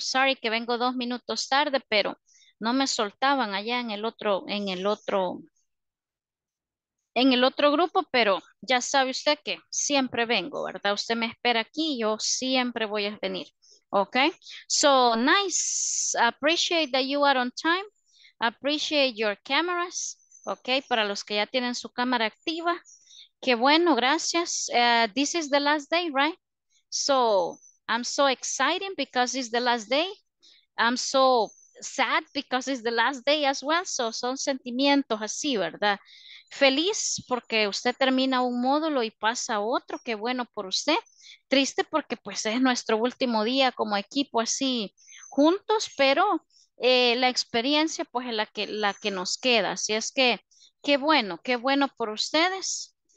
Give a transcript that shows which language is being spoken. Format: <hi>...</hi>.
<es>Sorry que vengo 2 minutos tarde, pero no me soltaban allá en el otro grupo, pero ya sabe usted que siempre vengo, ¿verdad? Usted me espera aquí, yo siempre voy a venir.</es> <en>Okay. So nice. Appreciate that you are on time. Appreciate your cameras.</en> <es>Okay, para los que ya tienen su cámara activa. Qué bueno, gracias.</es> <en>This is the last day, right? So I'm so excited because it's the last day. I'm so sad because it's the last day as well.</en> <es>So son sentimientos así, ¿verdad? Feliz porque usted termina un módulo y pasa a otro. Qué bueno por usted. Triste porque pues es nuestro último día como equipo así juntos, pero la experiencia pues es la que nos queda, así es que qué bueno por ustedes.</es>